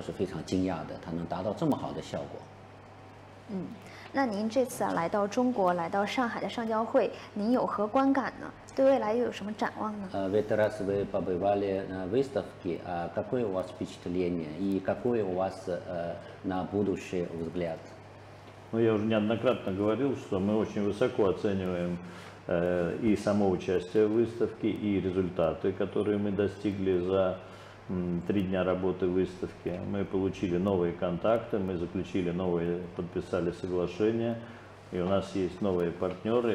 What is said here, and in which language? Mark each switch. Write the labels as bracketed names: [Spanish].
[Chinese] 我们一般在设计开发的时候呢，我们瞄准这些技术瓶颈啊，那个工艺瓶颈等等。但是我们最后展现的结果，我们自己都对我们来说都是非常惊讶的，它能达到这么好的效果。那您这次来到中国，来到上海的上交会，您有何观感呢？对未来又有什么展望呢？ [Ukrainian] Ви зараз ви побували на виставці, а яке у вас впечатлення і яке у вас [Russian] на будущее взгляд? Ну я уже неоднократно говорил, что мы очень высоко оцениваем и само участие в выставке, и результаты, которые мы достигли за 3 дня работы выставки. Мы получили новые контакты, мы заключили новые, подписали соглашения, и у нас есть новые партнеры.